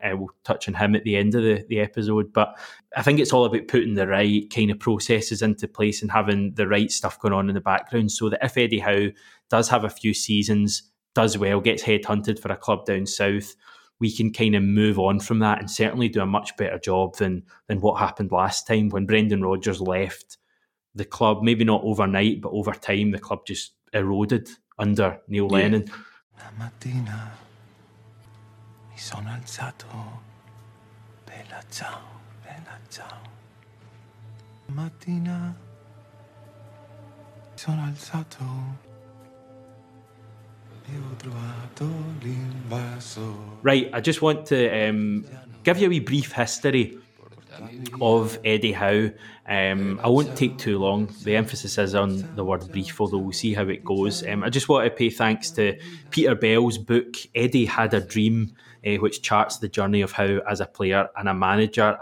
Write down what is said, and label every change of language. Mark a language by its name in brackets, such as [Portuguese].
[English] We'll touch on him at the end of the episode. But I think it's all about putting the right kind of processes into place and having the right stuff going on in the background so that if Eddie Howe does have a few seasons, does well, gets headhunted for a club down south, we can kind of move on from that and certainly do a much better job than what happened last time when Brendan Rodgers left the club. Maybe not overnight, but over time, the club just eroded under Neil Lennon. [Italian] La mattina mi sono alzato, bella ciao, la mattina mi sono alzato. [English] Right, I just want to give you a wee brief history of Eddie Howe. I won't take too long. The emphasis is on the word brief, although we'll see how it goes. I just want to pay thanks to Peter Bell's book, Eddie Had a Dream, which charts the journey of Howe as a player and a manager.